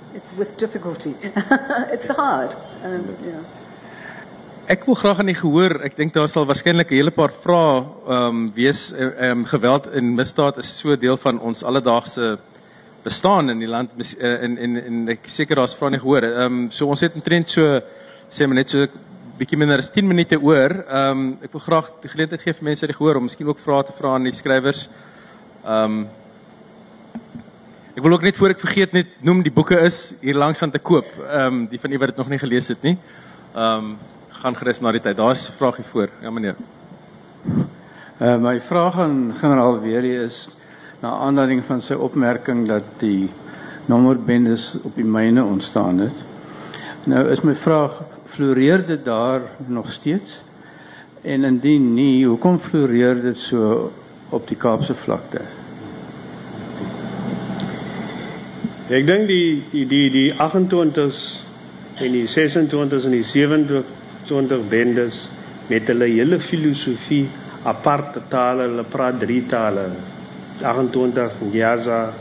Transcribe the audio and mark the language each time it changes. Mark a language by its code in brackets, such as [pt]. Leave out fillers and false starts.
[en] It's with difficulty. It's hard. [af] Ek wil graag aan die gehoor, ek dink daar sal waarskynlik 'n hele paar vrae wees. Geweld en misdaad is so deel van ons alledaagse bestaan in die land en ek seker daar's vrae aan die gehoor. So ons het omtrent so sê maar net so 'n bietjie minder as 10 minute oor. Ek wil graag die geleentheid gee vir mense die gehoor om miskien ook vrae te vra aan die skrywers. Ek wil ook net voor ek vergeet net noem die boeke is hier langs aan te koop. Die van u wat dit nog nie gelees het nie. Gaan gerus na die tyd. Daar is 'n vraagie voor. Ja meneer. My vraag aan generaal Weerie is na aanleiding van sy opmerking dat die nommerbendes op die myne ontstaan het. Nou is my vraag, floreer dit daar nog steeds? En indien nie, hoekom floreer dit so op die Kaapse vlakte? Ek dink die 28's en die 26's en die 27 bendes met hulle hele filosofie aparte tale, hulle praat drie tale 28, Ngiyaza